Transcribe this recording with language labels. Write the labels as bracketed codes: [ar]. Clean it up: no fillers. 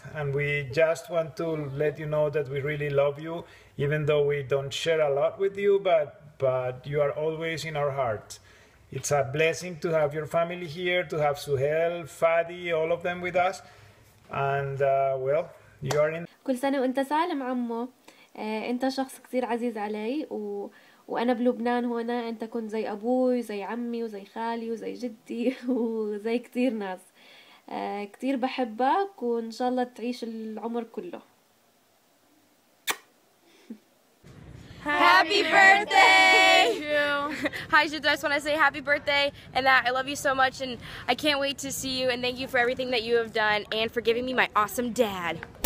[en] And we just want to let you know that we really love you, even though we don't share a lot with you. But you are always in our hearts. It's a blessing to have your family here, to have Suhel, Fadi, all of them with us. And, well, you are in... [ar] كل سنة وانت سالم عمو. انت شخص كثير عزيز علي وانا بلبنان هنا انت كنت زي ابوي زي عمي وزي خالي وزي جدي وزي كثير ناس كثير بحبك وان شاء الله تعيش العمر كله [en] Happy birthday! Thank you. Hi, Jude. I just want to say happy birthday and that I love you so much and I can't wait to see you and thank you for everything that you have done and for giving me my awesome dad.